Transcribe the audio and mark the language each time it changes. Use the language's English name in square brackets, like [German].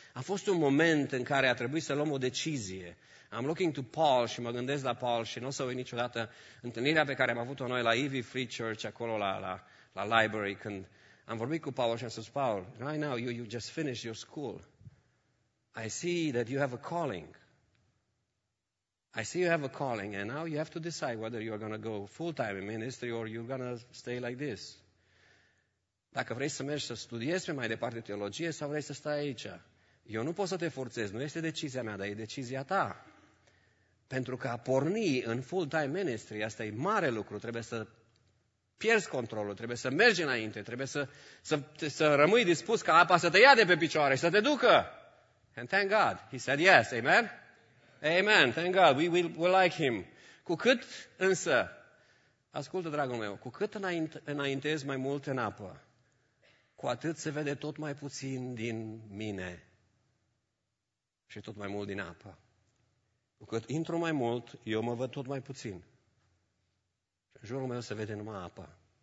[Romanian] A fost un moment în care a trebuit să luăm o decizie. [English] I'm looking to Paul [Romanian] și mă gândesc la Paul și nu o să uit niciodată întâlnirea pe care am avut-o noi la Ivy Free Church, acolo la library, când am vorbit cu Paul și am spus, Paul, [English] right now you just finished your school. I see that you have a calling. I see you have a calling and now you have to decide whether you're going to go full-time in ministry or you're going to stay like this. [Romanian] Dacă vrei să mergi să studiezi pe mai departe teologie sau vrei să stai aici? Eu nu pot să te forțez, nu este decizia mea, dar e decizia ta. Pentru că a porni în full-time ministry, asta e mare lucru, trebuie să pierzi controlul, trebuie să mergi înainte, trebuie să rămâi dispus ca apa să te ia de pe picioare și să te ducă. [English] And thank God, he said yes, amen? Amen, thank God, we like him. [Romanian] Cu cât însă, ascultă dragul meu, cu cât înaintezi mai mult în apă, cu atât se vede tot mai puțin din mine și tot mai mult din apă. Cu cât intru mai mult, eu mă văd tot mai puțin. Și în jurul meu se vede numai apă.